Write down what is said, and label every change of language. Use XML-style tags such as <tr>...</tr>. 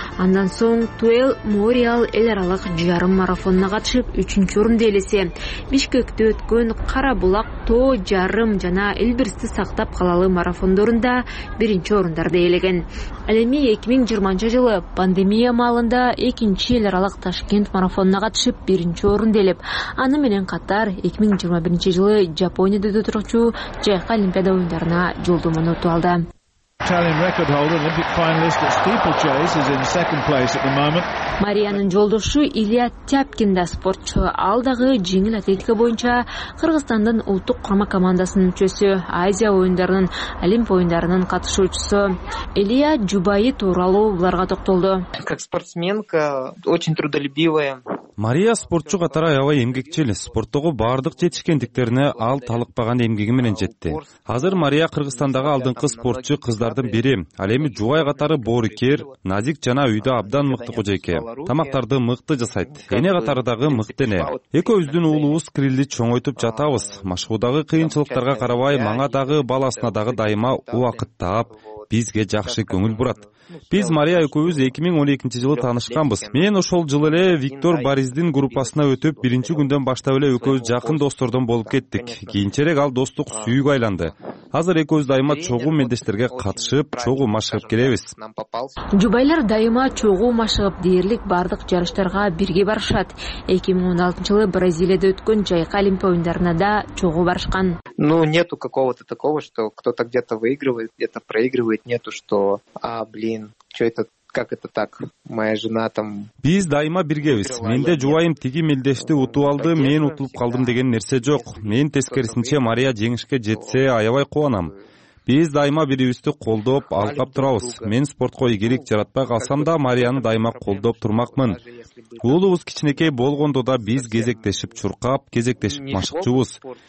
<ky>Андан соң Туэл Мориал эл аралык жарым марафонуна катышып 3-чү орунду ээлесе, Бишкекте өткөн Кара Булак тоо жарым жана Элбирсти сактап калалы марафондорунда 1-чү орундарды ээлеген. Ал эми 2020-жылы пандемия маалында 2-чү эл аралык Ташкент марафонуна катышып 1-чү орунду ээлеп, аны менен катар 2021-жылы Жапонияда өтө турчу жайкы олимпиада оюндарына жолдомону утуп алды.</ky> <en>Italian record holder, Olympic finalist at Steeplechase is in second place at the moment.</en> <ky>Марияның жолдошу Илья Тяпкин да спортчу. Ал дагы жеңил атлетика боюнча Кыргызстандын улуттук курама командасынын мүчөсү, Азия оюндарынын, Олимп оюндарынын катышуучусу. Илья жубайы тууралуу буларга токтолду.</ky> <ru>Как спортсменка, очень трудолюбивая.</ru> <ky>Мария спортчу катары аябай эмгекчил. Спорттогу баардык жетишкендиктерине ал талыкпаган эмгеги менен жетти. Азыр Мария Кыргызстандагы алдыңкы спортчу кыздардын бири. Ал эми жубай катары боорукер, назик жана үйдө абдан мыкты кожо экен. Тамактарды мыкты жасайт. Эне катары дагы мыкты эне. Экөөбүздүн уулубуз крилди чоңойтуп жатабыз. Машыгуудагы кыйынчылыктарга карабай, мага дагы, баласына дагы дайыма убакыт таап, бизге жакшы көңүл бурат. Биз Мария экөөбүз 2012 жылы таанышканбыз. Мен ошол жылы эле Виктор Бариздин группасына өтүп, биринчи күндөн баштап эле экөөбүз жакын достордон болуп кеттик. Кийинчерээк ал достук сүйүүгө айланды. Азыр экөөбүз дайыма чогуу мендештерге катышып, чогуу машыгып келебиз. Жубайлар дайыма чогуу машыгып, дээрлик бардык жарыштарга бирге барышат. 2016 жылы Бразилияда өткөн жайкы олимпия оюндарына да чогуу барышкан.</ky> <ru>Ну, нету какого-то такого, что кто-то где-то выигрывает, где-то проигрывает, нету, что, а, блин, что это, как это так, моя жена там...</ru> <ky>Биз дайыма биргебиз. Менде жубайым тиги мелдешти утуп алды, мен утулуп калдым деген нерсе жок. Мен тескерисинче Мария жеңишке жетсе аябай кубанам. Биз дайыма бирибизди колдоп, алкап турабыз. Мен спортко ийгилик жаратпай калсам да, Марияны дайыма колдоп турмакмын. Уулубуз кичинекей болгондо да биз кезектешип чуркап, кезектешип машыкчубуз.</ky>